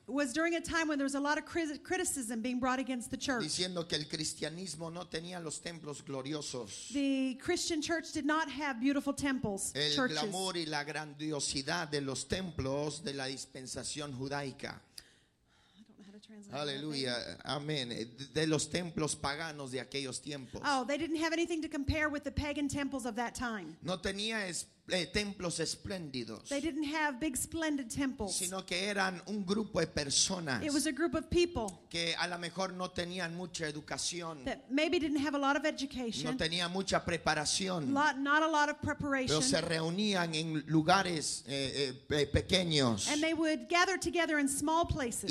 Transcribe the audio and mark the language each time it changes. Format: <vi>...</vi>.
<en>It was during a time when there was a lot of criticism being brought against the church.</en> <es>Diciendo que el cristianismo no tenía los templos gloriosos.</es> <en>The Christian church did not have beautiful temples.</en> <es>El glamour y la grandiosidad de los templos de la dispensación judaica. Aleluya, amén. De los templos paganos de aquellos tiempos.</es> <en>Oh, they didn't have anything to compare with the pagan temples of that time.</en> <es>No tenía templos espléndidos.</es> <en>They didn't have big splendid temples.</en> <es>Sino que eran un grupo de personas.</es> <en>It was a group of people.</en> <es>Que a lo mejor no tenían mucha educación.</es> <en>That maybe didn't have a lot of education.</en> <es>No tenía mucha preparación.</es> <en>Not a lot of preparation.</en> <es>Pero se reunían en lugares pequeños.</es> <en>And they would gather together in small places.</en>